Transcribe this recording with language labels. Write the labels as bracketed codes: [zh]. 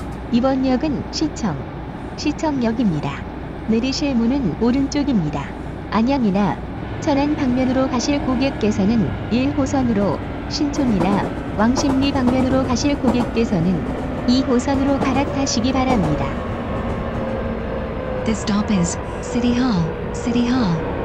[en] This stop is 시청, [ko] 시청역입니다. 내리실 문은 오른쪽입니다. 안양이나 천안 방면으로 가실 고객께서는 1호선으로, 신촌이나 왕십리 방면으로 가실 고객께서는 2호선으로 갈아타시기 바랍니다. [en] This stop is City Hall, City Hall.